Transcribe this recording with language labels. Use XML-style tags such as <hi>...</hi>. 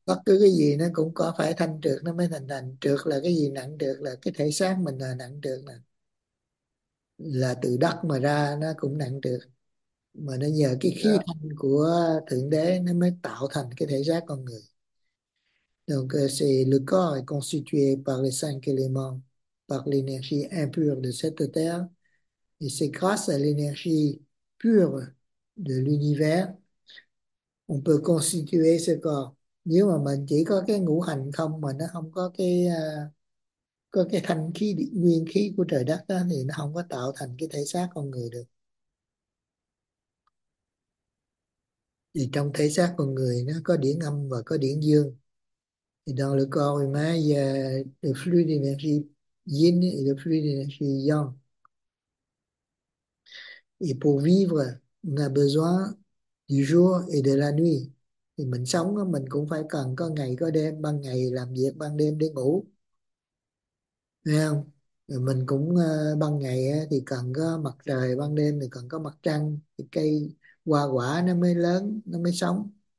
<vi>bất cứ cái gì nó cũng có phải thanh trược nó mới thành thành trược, là cái gì nặng trược là cái thể xác mình là nặng trược, là từ đất mà ra nó cũng nặng trược, mà nó nhờ cái khí thanh của Thượng Đế nó mới tạo thành cái thể xác con người.</vi> <fr>Donc c'est le corps est constitué par les cinq éléments, par l'énergie impure de cette terre, et c'est grâce à l'énergie pure de l'univers on peut constituer ce corps.</fr> <vi>Nếu mà mình chỉ có cái ngũ hành không mà nó không có cái thanh khí nguyên khí của trời đất đó, thì nó không có tạo thành cái thể xác con người được. Thì trong thể xác con người nó có điển âm và có điển dương.</vi> <fr>Thì dans le corps humain, il y a le flux d'énergie yin et le flux d'énergie yang. Et pour vivre, on a besoin du jour et de la nuit.</fr> <vi>Thì mình sống đó, mình cũng phải cần có ngày có đêm, ban ngày làm việc, ban đêm để ngủ. Thấy không? Rồi mình cũng ban ngày á, thì cần có mặt trời, ban đêm thì cần có mặt trăng, thì cây hoa quả nó mới lớn, nó mới sống.</vi>